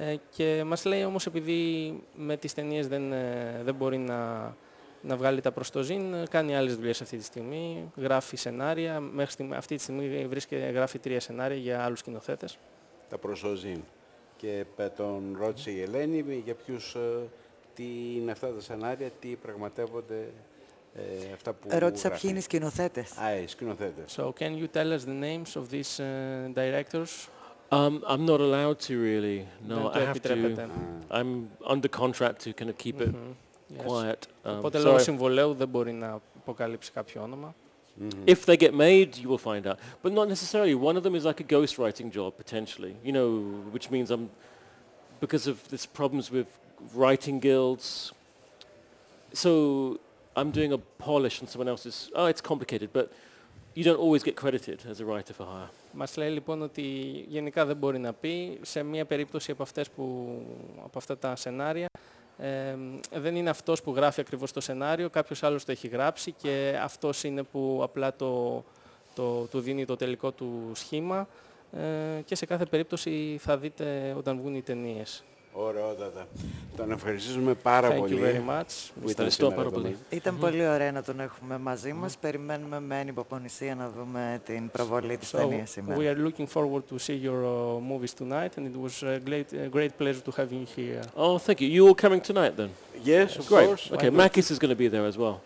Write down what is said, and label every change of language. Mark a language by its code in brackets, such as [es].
[el] Και μας λέει όμως, επειδή με τις ταινίες δεν μπορεί να βγάλει τα προστοζήν, κάνει άλλες δουλειές αυτή τη στιγμή, γράφει σενάρια, μέχρι αυτή τη στιγμή γράφει 3 σενάρια για άλλους σκηνοθέτες. Τα προστοζήν. Και τον ρώτησε η Ελένη για ποιους, τι είναι αυτά τα σενάρια, τι πραγματεύονται αυτά που γράφει. Ρώτησα ποιοι είναι οι σκηνοθέτες. Σκηνοθέτες. [en] So can you tell us the names of these directors? I'm not allowed to really. No, I have to. I'm under contract to kind of keep it quiet. [el] Οπότε λόγω συμβολέου δεν μπορεί να αποκαλύψει κάποιο όνομα. [en] If they get made, you will find out. But not necessarily. One of them is like a ghostwriting job, potentially, you know, which means I'm, because of this problems with writing guilds. So I'm doing a polish on someone else's, oh, it's complicated, but you don't always get credited as a writer for hire. [el] Μας λέει λοιπόν ότι γενικά δεν μπορεί να πει σε μια περίπτωση από αυτές που, από αυτά τα σενάρια. Δεν είναι αυτός που γράφει ακριβώς το σενάριο, κάποιος άλλος το έχει γράψει και αυτός είναι που απλά του δίνει το τελικό του σχήμα και σε κάθε περίπτωση θα δείτε όταν βγουν οι ταινίες. Ωραιότατα. Τον ευχαριστούμε πάρα [en] Thank [el] πολύ. [en] You very much. [el] Ευχαριστώ πάρα πολύ. Ήταν πολύ ωραία να τον έχουμε μαζί μας. Περιμένουμε με ανυπομονησία να δούμε την προβολή της ταινίας σήμερα. [en] We are looking forward to see your movies tonight and it was a great pleasure to have you here. Oh, thank you. You're all coming tonight then? Yes, of great. Course. Okay, Makis is going to be there as well.